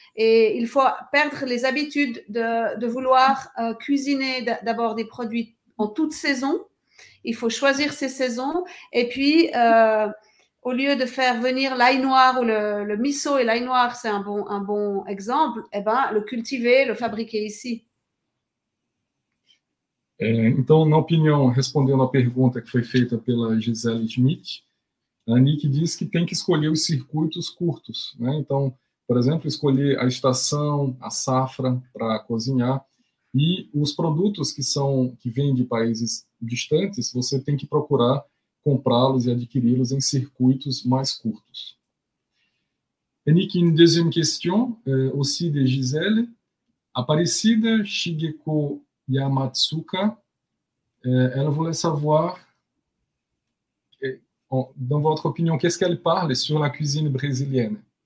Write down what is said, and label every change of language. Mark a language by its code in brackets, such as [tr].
[fr] Et il faut perdre les habitudes de vouloir cuisiner d'abord des produits en toute saison. Il faut choisir ses saisons et puis au lieu de faire venir l'ail noir ou le miso et l'ail noir, c'est un bon exemple, eh ben, le cultiver, le fabriquer ici. [pt] Então, na opinião, respondendo à pergunta que foi feita pela Gisele Schmidt, a Nick diz que tem que escolher os circuitos curtos, né? Então, por exemplo, escolher a estação, a safra para cozinhar, e os produtos que vêm de países distantes, você tem que procurar comprá-los e adquiri-los em circuitos mais curtos. [fr] Nick, une deuxième question, aussi de Gisele, Aparecida Shigeko Yamatsuka, ela voulait savoir, dans votre opinion, qu'est-ce qu'elle parle sur la cuisine brésilienne?